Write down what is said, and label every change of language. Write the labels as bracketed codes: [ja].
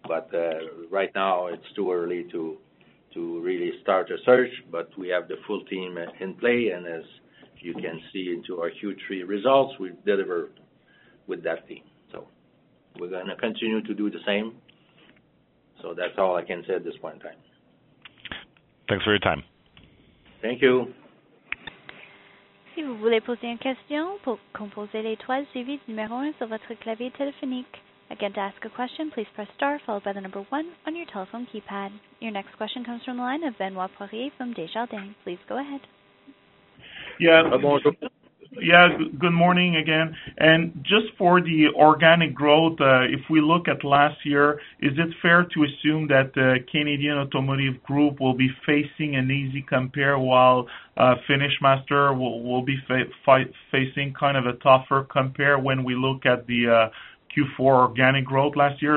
[en] But right now, it's too early to really start a search, but we have the full team in play, and as you can see into our Q3 results, we deliver with that team. So we're going to continue to do the same. So that's all I can say at this point in time. Thanks for your time. Thank you. [fr] Si vous voulez poser une question, pour composer l'étoile suivie du numéro 1 sur votre clavier téléphonique. [en] Again, to ask a question, please press star followed by the number 1 on your telephone keypad. Your next question comes from the line of Benoit Poirier from Desjardins. Please go ahead. Yeah, good morning again. And just for the organic growth, if we look at last year, is it fair to assume that the Canadian Automotive Group will be facing an easy compare while FinishMaster will be facing kind of a tougher compare when we look at the Q4 organic growth last year?